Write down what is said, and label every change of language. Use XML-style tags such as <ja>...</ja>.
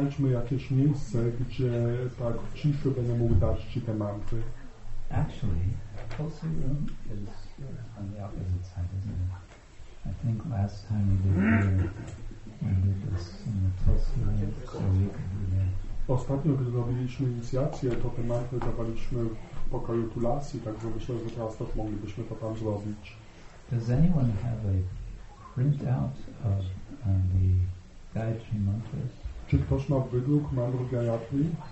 <pl>Jakieś miejsce, gdzie tak w ciszy będę mógł dać ci te mantry.</pl> <en>Actually, Tulsi room is on the opposite side, isn't it? I think last time we did here, we did this in the Tulsi room, so we could be there.</en> <pl>Ostatnio, gdy robiliśmy inicjację, to te mantry zawaliśmy w pokoju Tulasi, także myślę, że teraz też moglibyśmy to tam zrobić.</pl> <en>Does anyone have a printout of the Gayatri mantras?</en> <pl>Czy ktoś ma wydruk mantr Gayatri?</pl>